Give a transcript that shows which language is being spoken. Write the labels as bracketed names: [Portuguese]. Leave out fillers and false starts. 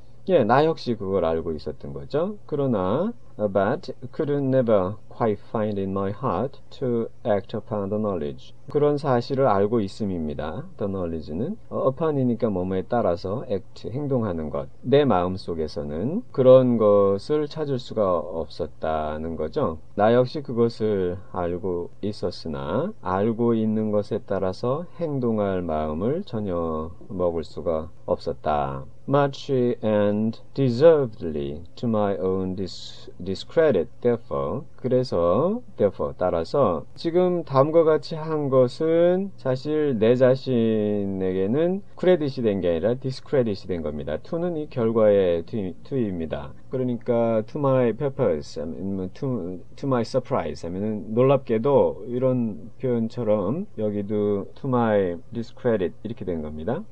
[Korean] 예, 나 역시 그걸 알고 있었던 거죠. 그러나, [English] but could never quite find in my heart to act upon the knowledge. [Korean] 그런 사실을 알고 있음입니다. The knowledge는 upon이니까 뭐뭐에 따라서 act, 행동하는 것. 내 마음 속에서는 그런 것을 찾을 수가 없었다는 거죠. 나 역시 그것을 알고 있었으나 알고 있는 것에 따라서 행동할 마음을 전혀 먹을 수가 없었다. [English] Much and deservedly to my own discredit, therefore. [Korean] 그래서, [English] therefore, [Korean] 따라서 지금 다음과 같이 한 것은 사실 내 자신에게는 크레딧이 된게 아니라 디스크레딧이 된 겁니다. to는 이 결과의 to입니다. 그러니까 [English] to my purpose, to my surprise, [Korean] 놀랍게도 이런 표현처럼 여기도 [English] to my discredit [Korean] 이렇게 된 겁니다.